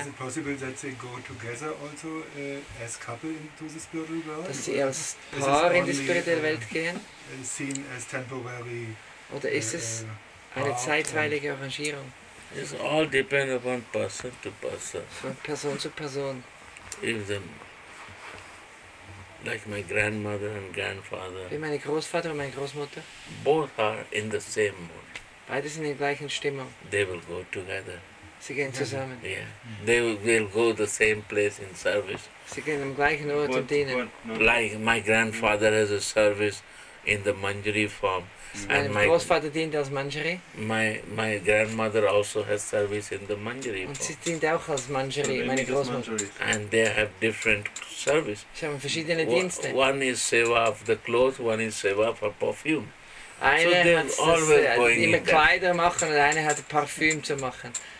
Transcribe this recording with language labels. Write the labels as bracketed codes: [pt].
[en] Is it possible that they go together also as couple into the spiritual world? [de] Dass sie als Paar in die spirituelle Welt gehen? [en] Seen as temporary... [de] Oder ist es eine zeitweilige Arrangierung? [en] It all depends upon person to person. [de] Von Person zu Person. [en] If the, like my grandmother and grandfather. [de] Wie meine Großvater und meine Großmutter. [en] Both are in the same mood. [de] Beide sind in der gleichen Stimmung. [en] They will go together. [de] Sie gehen zusammen. [en] Yeah. They will go to the same place in service. [de] Sie gehen am gleichen Ort und dienen. No. [en] Like my grandfather has a service in the Manjari form. And my [de] Großvater dient als Manjari. [en] My grandmother also has service in the Manjari. [de] Und sie dient auch als Manjari, meine Großmutter. [en] And they have different service. [de] Sie haben verschiedene Dienste. [en] One is seva of the clothes, one is seva for perfume. [de] Eine so hat [en] always [de] das, [en] going [de] immer Kleider machen und eine hat Parfüm zu machen.